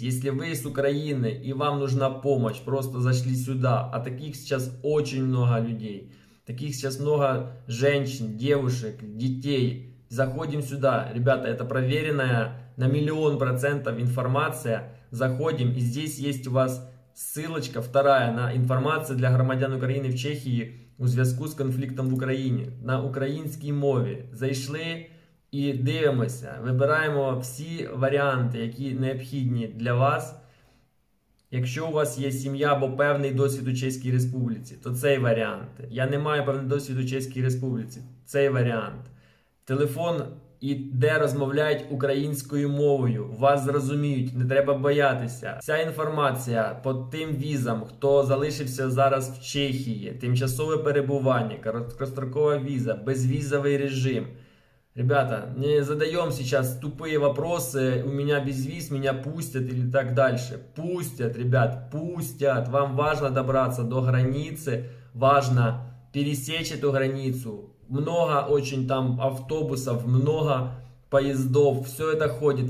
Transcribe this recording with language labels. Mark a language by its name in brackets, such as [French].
[Russian] Если вы из Украины и вам нужна помощь, просто зашли сюда, а таких сейчас очень много людей, таких сейчас много женщин, девушек, детей, заходим сюда, ребята, это проверенная на 1000000% информация, заходим, и здесь есть у вас ссылочка вторая на информацию для громадян Украины в Чехии [Ukrainian] у зв'язку з конфліктом в Україні на українській мові. Зайшли і дивимося, вибираємо всі варіанти, які необхідні для вас. Якщо у вас є сім'я або певний досвід у Чеській Республіці, то цей варіант. Я не маю певний досвід у Чеській Республіці, цей варіант. Телефон і де розмовляють українською мовою. Вас зрозуміють, не треба боятися. Вся інформація по тим візам, хто залишився зараз в Чехії, тимчасове перебування, короткострокова віза, безвізовий режим. [Russian] Ребята, не задаем сейчас тупые вопросы, у меня без виз, меня пустят или так дальше. Пустят, ребят, пустят. Вам важно добраться до границы, важно пересечь эту границу. Много очень там автобусов, много поездов, все это ходит.